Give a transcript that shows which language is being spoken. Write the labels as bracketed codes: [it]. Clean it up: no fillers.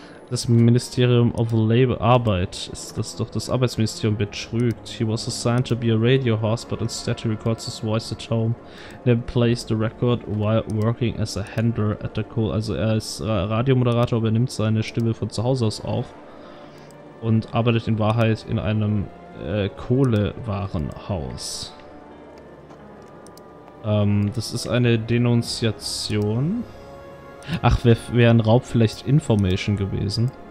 [de] Das Ministerium of Labor, Arbeit, ist das doch das Arbeitsministerium, betrügt. [en] He was assigned to be a radio host, but instead he records his voice at home. Then plays the record while working as a handler at the coal. [de] Also er ist Radiomoderator, aber er nimmt seine Stimme von zu Hause aus auf und arbeitet in Wahrheit in einem Kohlewarenhaus. Das ist eine Denunziation. Ach, wär ein Raub vielleicht Information gewesen?